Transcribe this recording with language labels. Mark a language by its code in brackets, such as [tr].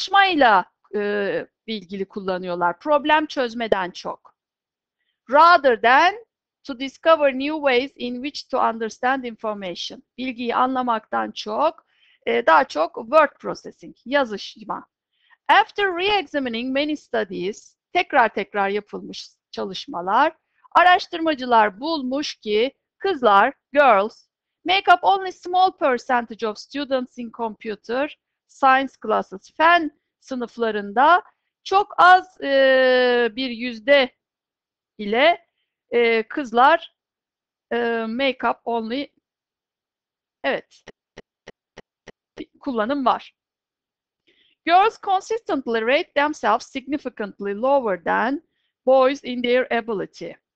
[tr] Yazışmayla ilgili kullanıyorlar. Problem çözmeden çok. [en] Rather than to discover new ways in which to understand information. [tr] Bilgiyi anlamaktan çok, daha çok [en] word processing, [tr] yazışma. [en] After re-examining many studies, [tr] tekrar tekrar yapılmış çalışmalar, araştırmacılar bulmuş ki kızlar, [en] girls, make up only small percentage of students in computer science classes, [tr] fen sınıflarında çok az bir yüzde ile kızlar [en] make up only, [tr] evet, kullanım var. [en] Girls consistently rate themselves significantly lower than boys in their ability.